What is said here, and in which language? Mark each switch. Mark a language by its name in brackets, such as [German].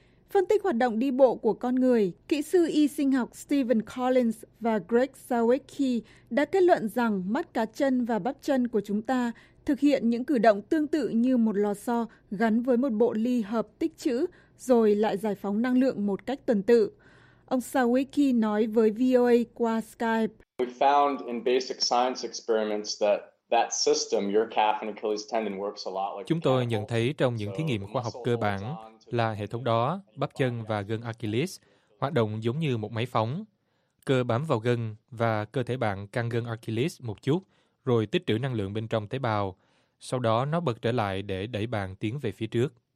[Vietnamese] Phân tích hoạt động đi bộ của con người, kỹ sư y sinh học Stephen Collins và Greg Sawicki đã kết luận rằng mắt cá chân và bắp chân của chúng ta thực hiện những cử động tương tự như một lò xo gắn với một bộ ly hợp tích trữ rồi lại giải phóng năng lượng một cách tuần tự. Ông Sawicki nói với VOA qua Skype. [English] We found in basic science experiments that system, your calf and Achilles tendon works a lot like. [Vietnamese] Chúng tôi nhận thấy trong những thí nghiệm khoa học cơ bản là hệ thống đó, bắp chân và gân Achilles, hoạt động giống như một máy phóng. Cơ bám vào gân và cơ thể bạn căng gân Achilles một chút, rồi tích trữ năng lượng bên trong tế bào. Sau đó nó bật trở lại để đẩy bạn tiến về phía trước.